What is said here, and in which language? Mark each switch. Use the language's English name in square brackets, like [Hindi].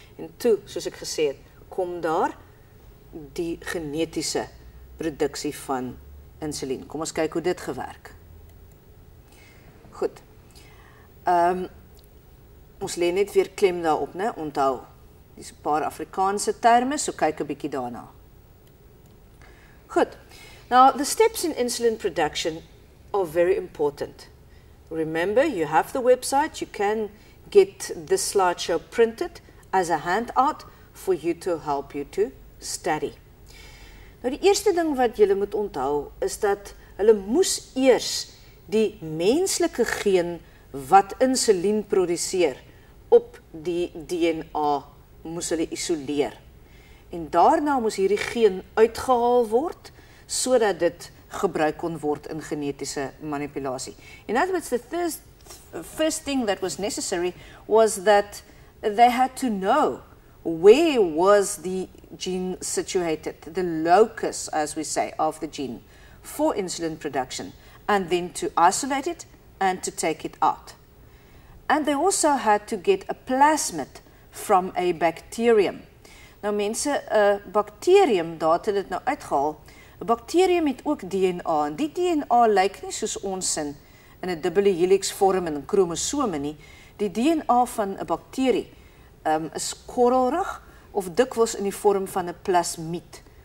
[Afrikaans] En toe, soos ek gesê het, kom daar die genetiese produksie van insulien. Kom ons kyk hoe dit gewerk. Goed, ons leen net weer klem daarop, ne? Onthou, die is paar Afrikaanse terme, so kyk 'n bietjie daarna. [English] Goed, now the steps in insulin production are very important. Remember, you have the website, you can get this slideshow printed as a handout for you to help you to study. [Afrikaans] Nou die eerste ding wat julle moet onthou is dat hulle moes eers die menslike geen wat insulien produseer op die DNA moes hulle isoleer. En daarna moes hierdie geen uitgehaal word sodat dit gebruik kon word in genetiese manipulasie. [English] In other words, the first thing that was necessary was that they had to know where was the gene situated, the locus, as we say, of the gene for insulin production, and then to isolate it and to take it out. And they also had to get a plasmid from a bacterium. [Afrikaans] Nou mense, bacterium, daar het hulle dit nou uitgehaal, bacterium het ook DNA, en die DNA lyk nie soos ons in 'n dubbele helix vorm en kromosome nie. Die DNA van 'n bakterie is korrelrig of dikwels in die vorm van 'n plasmid.